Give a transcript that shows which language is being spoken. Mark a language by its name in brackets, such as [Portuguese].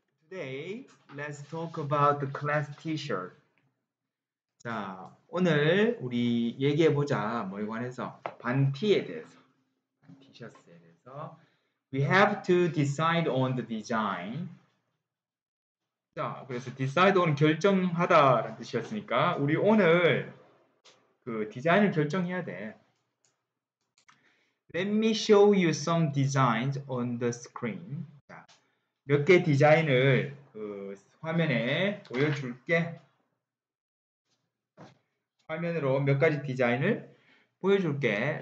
[English] Today, let's talk about the class t-shirt. [Korean] 자, 오늘 우리 얘기해보자. 뭐에 관해서? 반티에 대해서. 반 티셔츠에 대해서. [English] We have to decide on the design. [Korean] 자, 그래서 decide on 결정하다라는 뜻이었으니까 우리 오늘 그 디자인을 결정해야 돼. [English] Let me show you some designs on the screen. [Korean] 자, 몇 개 디자인을 그 화면에 보여줄게. 화면으로 몇 가지 디자인을 보여줄게.